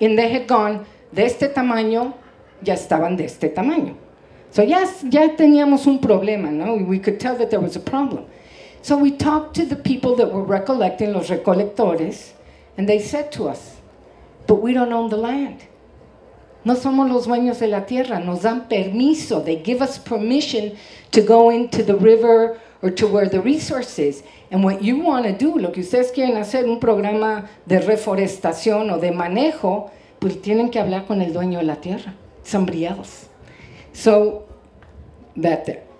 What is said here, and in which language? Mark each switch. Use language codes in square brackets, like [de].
[en] And they had gone [es] de este tamaño, ya estaban de este tamaño. [en] So yes, [es] ya teníamos un problema, no? [en] We could tell that there was a problem. So we talked to the people that were recollecting, [es] los recolectores, [en] and they said to us, but we don't own the land. [es] No somos los dueños de la tierra, nos dan permiso. [en] They give us permission to go into the river or to where the resource is. And what you want to do, [es] lo que ustedes quieren hacer, un programa de reforestación o de manejo, pues tienen que hablar con el dueño de la tierra. [en] Somebody else. So, better.